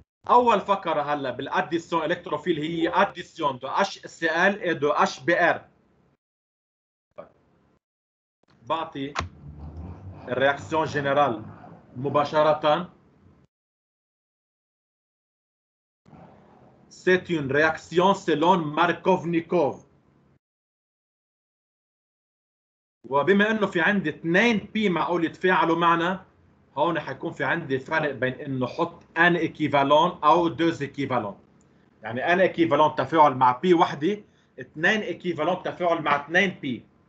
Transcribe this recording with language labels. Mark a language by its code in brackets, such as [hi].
[ar] اول فقره هلا بالاديسيون الكتروفيل هي اديسيون دو اش سي ال اي دو اش بي ار. بعطي الرياكسيون جنرال مباشره، [fr] c'est une réaction selon Markovnikov. [ar] وبما انه في عندي 2 بي معقول يتفاعلوا معنا هون حيكون في عندي فرق بين انه حط ان ايكيفالون او دوز ايكيفالون. يعني ان ايكيفالون تفاعل مع بي وحده، 2 ايكيفالون تفاعل مع 2 بي.